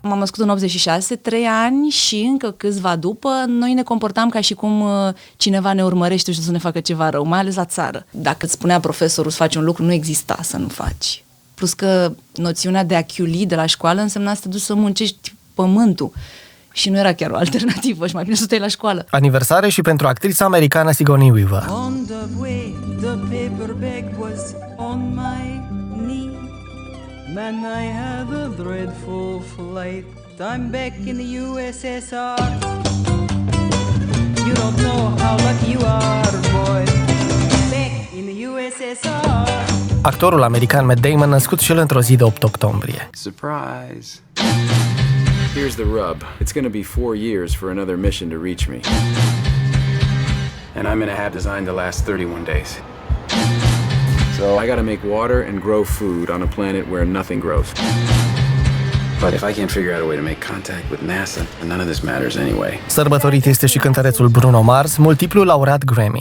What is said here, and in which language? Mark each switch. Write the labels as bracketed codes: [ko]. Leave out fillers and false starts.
[ro] M-am născut în 86, 3 ani și încă câțiva după, noi ne comportam ca și cum cineva ne urmărește și să ne facă ceva rău, mai ales la țară. Dacă îți spunea profesorul să faci un lucru, nu exista să nu faci. Plus că noțiunea de a chiuli de la școală însemna să te duci să muncești pământul. Și nu era chiar o alternativă și mai bine să te iei la școală. Aniversare și pentru actrița americană Sigourney Weaver. [en] On the way, the paperback was on my knee. Man, I had a dreadful flight. I'm back in the USSR. You don't know how lucky you are, boy. Back in the USSR. [ro] Actorul american Matt Damon născut și el într-o zi de 8 octombrie. [en] Surprise! Here's the rub. It's going to be 4 years for another mission to reach me. And I'm in a hab designed to last 31 days. So I got to make water and grow food on a planet where nothing grows. But if I can't figure out a way to make contact with NASA, none of this matters anyway. [ro] Sărbătorit este și cântărețul Bruno Mars, multiplu laureat Grammy.